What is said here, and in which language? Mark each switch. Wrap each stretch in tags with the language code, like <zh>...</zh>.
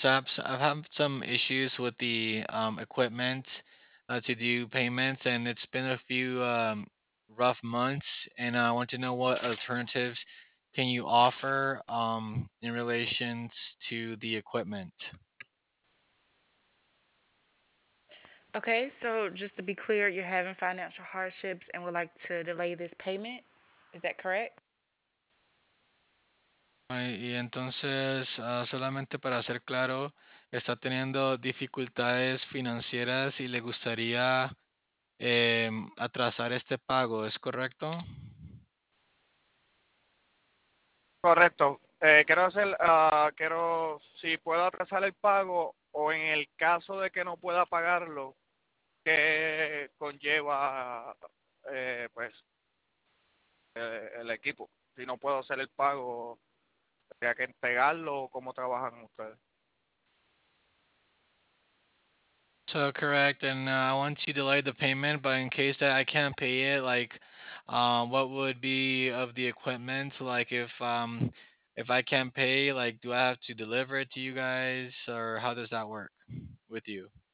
<en>So I've had some issues with the equipment to do payments, and it's been a few rough months, and I want to know what alternatives can you offer in relation to the equipment. Okay, so just to be clear, you're having financial hardships and would like to delay this payment. Is that correct?</en> <es>Y entonces, solamente para ser claro, está teniendo dificultades financieras y le gustaría atrasar este pago, ¿es correcto? Correcto. Quiero hacer, quiero, si puedo atrasar el pago o en el caso de que no pueda pagarlo, ¿qué conlleva pues el equipo? Si no puedo hacer el pago, ¿tendría que entregarlo o cómo trabajan ustedes?</es> <en>So correct, and I want to delay the payment, but in case that I can't pay it, like, what would be of the equipment? Like, if I can't pay, like, do I have to deliver it to you guys, or how does that work with you?</en>